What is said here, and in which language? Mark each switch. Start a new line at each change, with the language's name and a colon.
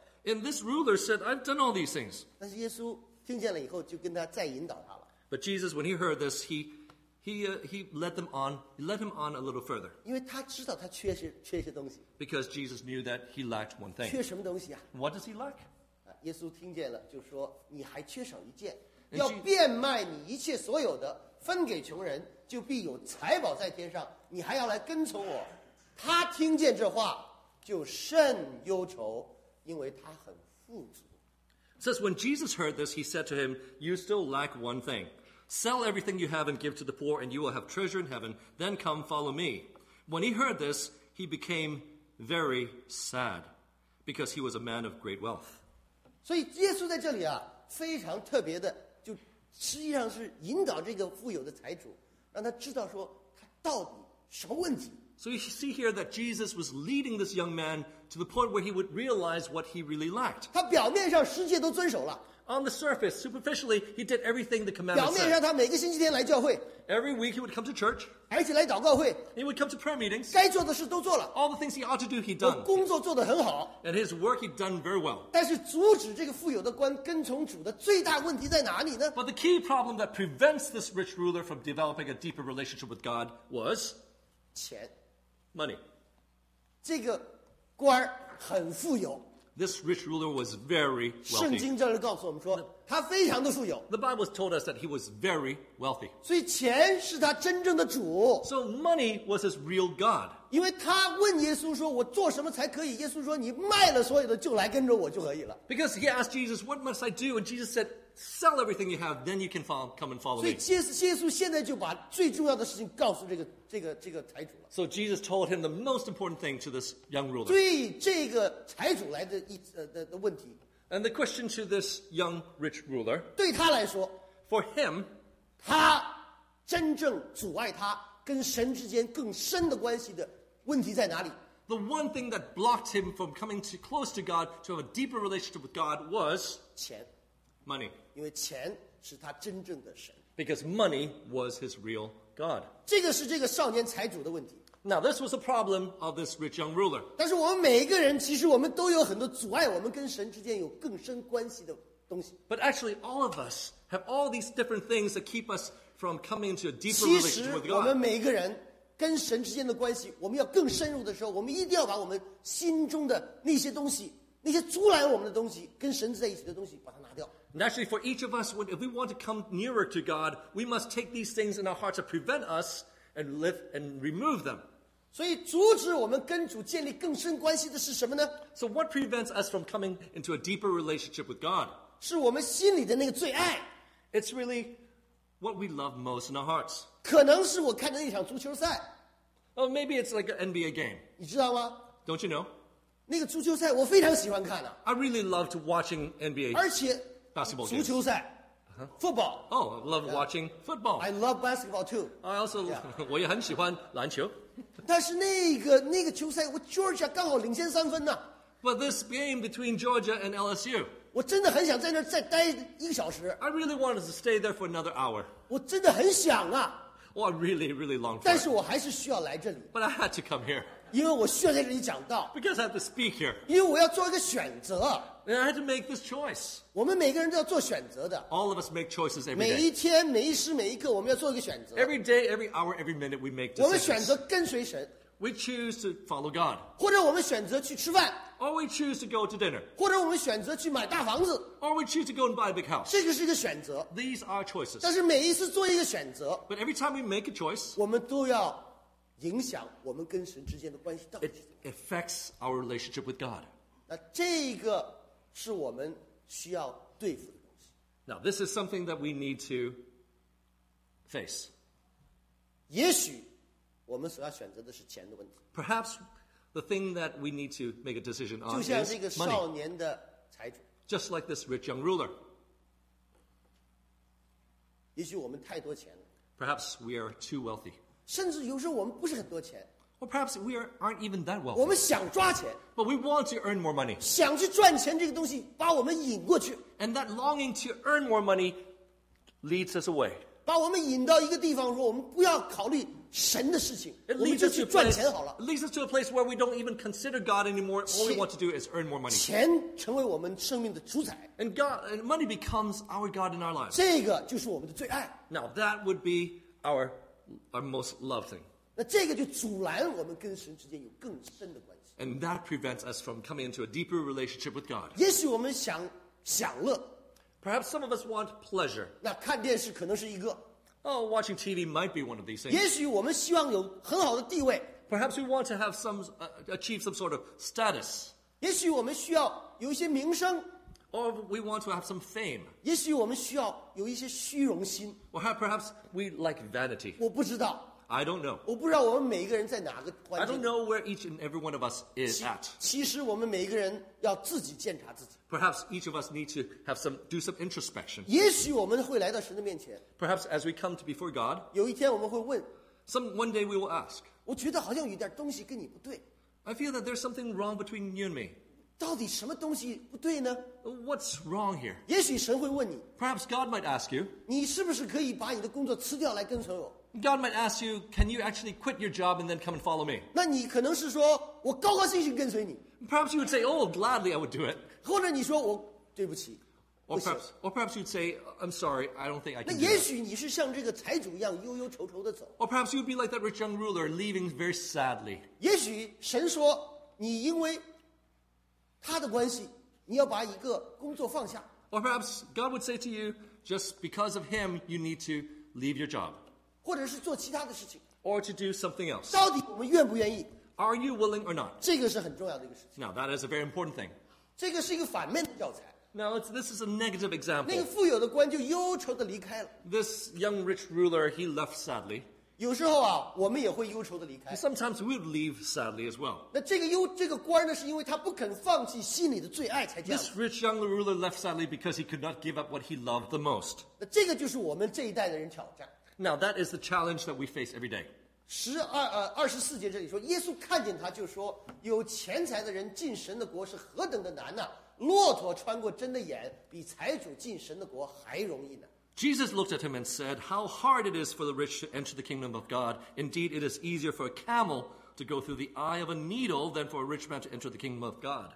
English: And this ruler said, I've done all these things.
Chinese: 但是耶稣听见了以后，就跟他再引导他了。
English: But Jesus, when he heard this, he led them on, led him on a little further.
Chinese: 因为他知道他缺些东西。
English: Because Jesus knew that he lacked one thing.
Chinese: 缺什么东西啊？
English: What does he lack?
Chinese: 耶稣听见了，就说你还缺少一件，要变卖你一切所有的，分给穷人，就必有财宝在天上。你还要来跟从我。他听见这话。就甚忧愁，因为他很富足。
English: It says, when Jesus heard this, he said to him, you still lack one thing. Sell everything you have and give to the poor, and you will have treasure in heaven. Then come, follow me. When he heard this, he became very sad, because he was a man of great wealth.
Chinese: 所以耶稣在这里啊，非常特别的，就实际上是引导这个富有的财主，让他知道说他到底什么问题。
English: So you see here that Jesus was leading this young man to the point where he would realize what he really lacked.
Chinese: 他表面上十诫都遵守了。
English: On the surface, superficially, he did everything the commandment said.
Chinese: 表面上他每个星期天来教会。
English: Every week he would come to church.
Chinese: 而且来祷告会。
English: He would come to prayer meetings.
Chinese: 该做的事都做了。
English: All the things he ought to do, he done.
Chinese: 工作做得很好。
English: And his work he'd done very well.
Chinese: 但是阻止这个富有的官跟从主的最大问题在哪里呢？
English: But the key problem that prevents this rich ruler from developing a deeper relationship with God was...
Chinese: 钱。
English: Money.
Chinese: 这个官很富有。
English: This rich ruler was very wealthy.
Chinese: 圣经这里告诉我们说他非常的富有。
English: The Bible told us that he was very wealthy.
Chinese: 所以钱是他真正的主。
English: So money was his real God.
Chinese: 因为他问耶稣说我做什么才可以，耶稣说你卖了所有的就来跟着我就可以了。
English: Because he asked Jesus, what must I do? And Jesus said,Sell everything you have, then you can follow, come and follow me.
Chinese: 所以耶稣现在就把最重要的事情告诉这个财主了。
English: So Jesus told him the most important thing to this young ruler.
Chinese: 对这个财主来的问题。
English: And the question to this young rich ruler.
Chinese: 对他来说。
English: For him.
Chinese: 他真正阻碍他跟神之间更深的关系的问题在哪里？
English: The one thing that blocked him from coming too close to God to have a deeper relationship with God was.
Chinese: 钱。
English: Money.
Chinese: 因为钱是他真正的神。
English: Because money was his real God.
Chinese: 这个是这个少年财主的问题。
English: Now this was a problem of this rich young ruler.
Chinese: 但是我们每一个人其实我们都有很多阻碍我们跟神之间有更深关系的东西。
English: But actually all of us have all these different things that keep us from coming into a deeper relationship with God.
Chinese: 其实我们每一个人跟神之间的关系我们要更深入的时候我们一定要把我们心中的那些东西那些阻拦我们的东西跟神在一起的东西把它拿掉。
English: And actually, for each of us, if we want to come nearer to God, we must take these things in our hearts to prevent us and live and remove them.
Chinese: 所以阻止我们跟主建立更深关系的是什么呢？
English: So what prevents us from coming into a deeper relationship with God?
Chinese: 是我们心里的那个最爱。
English: It's really what we love most in our hearts.
Chinese: 可能是我看的那场足球赛。
English: Oh, maybe it's like an NBA game.
Chinese: 你知道吗？
English: Don't you know?
Chinese: 那个足球赛我非常喜欢看啊。
English: I really love to watching NBA.
Chinese: 而且
English: Basketball games. 足球赛、 uh-huh. Football. Oh, I love watching football. I love basketball too. I also,、
Chinese: 我也很喜欢篮球。但是那个球赛，我 Georgia 刚好领先三分呢。
English: But this game between Georgia and LSU.
Chinese: 我真的很想在那儿再待一个小时。
English: I really wanted to stay there for another hour.
Chinese: 我真的很想啊。
English: Well, I really, really long for.
Chinese: 但是我还是需要来这里。
English: But I had to come here.
Chinese: 因为我需要在这里讲道。
English: Because I have to speak here.
Chinese: 因为我要做一个选择。
English: And I had to make this choice.
Chinese: 我们每个人都要做选择的。
English: All of us make choices every day.
Chinese: 每一天每一时每一刻我们要做一个选择。
English: Every day, every hour, every minute we make decisions.
Chinese: 我们选择跟随神。
English: We choose to follow God.
Chinese: 或者我们选择去吃饭。
English: Or we choose to go to dinner.
Chinese: 或者我们选择去买大房子。
English: Or we choose to go and buy a big house.
Chinese: 这个是一个选择。
English: These are choices.
Chinese: 但是每一次做一个选择。
English: But every time we make a choice.
Chinese: 我们都要影响我们跟神之间的关系到底。
English: It affects our relationship with God.
Chinese: 那这个是我们需要对付的东西。
English: Now, this is something that we need to face.
Chinese: 也许我们所要选择的是钱的问题。
English: Perhaps the thing that we need to make a decision on is money.
Chinese: 就像这个少年的财主。
English: Just like this rich young ruler.
Chinese: 也许我们太多钱了。
English: Perhaps we are too wealthy.
Chinese: 甚至有时候我们不是很多钱。
English: Or perhaps we aren't even that wealthy.
Chinese: 我们想抓钱。
English: But we want to earn more money.
Chinese: 想去赚钱这个东西把我们引过去。
English: And that longing to earn more money leads us away.
Chinese: 把我们引到一个地方说我们不要考虑神的事情。
English: It leads
Chinese: 我们就去赚钱好了。
English: It leads us to a place where we don't even consider God anymore. All we want to do is earn more money.
Chinese: 钱成为我们生命的主宰。
English: And God, and money becomes our God in our lives.
Chinese: 这个就是我们的最爱。
English: Now that would be our most loved thing.
Chinese: 那这个就阻拦我们跟神之间有更深的关系。
English: And that prevents us from coming into a deeper relationship with God.
Chinese: 也许我们想享乐。
English: Perhaps some of us want pleasure.
Chinese: 那看电视可能是一个。
English: Oh, watching TV might be one of these things.
Chinese: 也许我们希望有很好的地位。
English: Perhaps we want to have some, achieve some sort of status.
Chinese: 也许我们需要有一些名声。
English: Or we want to have some fame.
Chinese: 也许我们需要有一些虚荣心。
English: Or perhaps we like vanity.
Chinese: 我不知道。
English: I don't know.
Chinese: 我不知道我们每一个人在哪个环境。
English: I don't know where each and every one of us is at.
Chinese: 其实我们每一个人要自己检查自己。
English: Perhaps each of us need to have some do some introspection.
Chinese: 也许我们会来到神的面前。
English: Perhaps as we come to before God.
Chinese: 有一天我们会问。
English: Some one day we will ask.
Chinese: 我觉得好像有点东西跟你不对。
English: I feel that there's something wrong between you and me.
Chinese: 到底什么东西不对呢？
English: What's wrong here?
Chinese: 也许神会问你。
English: Perhaps God might ask you.
Chinese: 你是不是可以把你的工作辞掉来跟随我？
English: God might ask you, can you actually quit your job and then come and follow me?
Chinese: 那你可能是说我高高兴兴跟随你。
English: Perhaps you would say, oh, gladly I would do it.
Chinese: 或者你说我对不起。
English: Or perhaps you'd say, I'm sorry, I don't think I can do it.
Chinese: 那也许你是像这个财主一样忧忧愁愁的走。
English: Or perhaps you'd be like that rich young ruler, leaving very sadly.
Chinese: 也许神说你因为他的关系，你要把一个工作放下。
English: Or perhaps God would say to you, just because of him, you need to leave your job.
Chinese: 或者是做其他的事情。
English: Or to do something else.
Chinese: 到底我们愿不愿意？
English: Are you willing or not?
Chinese: 这个是很重要的一个事情。
English: Now that is a very important thing.
Chinese: 这个是一个反面的教材。
English: Now, this is a negative example.
Chinese: 那个富有的官就忧愁地离开了。
English: This young rich ruler, he left sadly.
Chinese: 有时候啊，我们也会忧愁地离开。
English: Sometimes we would leave sadly as well.
Chinese: 那这个官呢，是因为他不肯放弃心里的最爱才这样。
English: This rich young ruler left sadly because he could not give up what he loved the most.
Chinese: 那这个就是我们这一代的人挑战。
English: Now, that is the challenge that we face every day.
Chinese: 24节这里说，耶稣看见他就说，有钱财的人进神的国是何等的难啊。骆驼穿过针的眼，比财主进神的国还容易呢。
English: Jesus looked at him and said, "How hard it is for the rich to enter the kingdom of God! Indeed, it is easier for a camel to go through the eye of a needle than for a rich man to enter the kingdom of God."